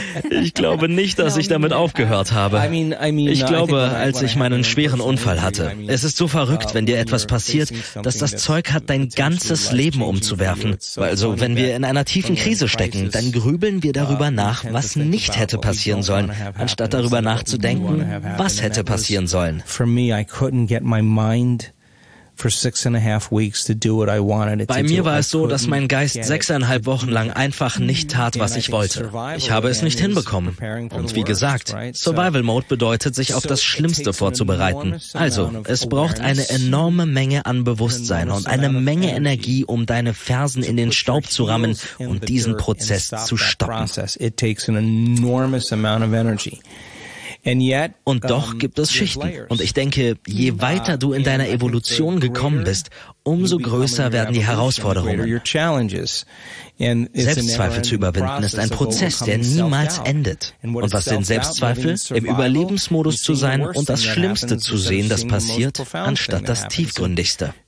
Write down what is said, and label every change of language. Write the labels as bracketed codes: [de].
[de] Ich glaube nicht, dass ich damit aufgehört habe. Ich glaube, als ich meinen schweren Unfall hatte. Es ist so verrückt, wenn dir etwas passiert, dass das Zeug hat, dein ganzes Leben umzuwerfen. Also, wenn wir in einer tiefen Krise stecken, dann grübeln wir darüber nach, was nicht hätte passieren sollen, anstatt darüber nachzudenken, was hätte passieren sollen. [en] For me, I couldn't get my mind for 6.5 weeks to do what I wanted it to do. [de] Bei mir war es so, dass mein Geist 6.5 Wochen lang einfach nicht tat, was ich wollte. Ich habe es nicht hinbekommen. Und wie gesagt, Survival Mode bedeutet, sich auf das Schlimmste vorzubereiten. Also, es braucht eine enorme Menge an Bewusstsein und eine Menge Energie, um deine Fersen in den Staub zu rammen und diesen Prozess zu stoppen. [en] It takes an enormous amount of energy. [de] Und doch gibt es Schichten. Und ich denke, je weiter du in deiner Evolution gekommen bist, umso größer werden die Herausforderungen. Selbstzweifel zu überwinden ist ein Prozess, der niemals endet. Und was sind Selbstzweifel? Im Überlebensmodus zu sein und das Schlimmste zu sehen, das passiert, anstatt das Tiefgründigste.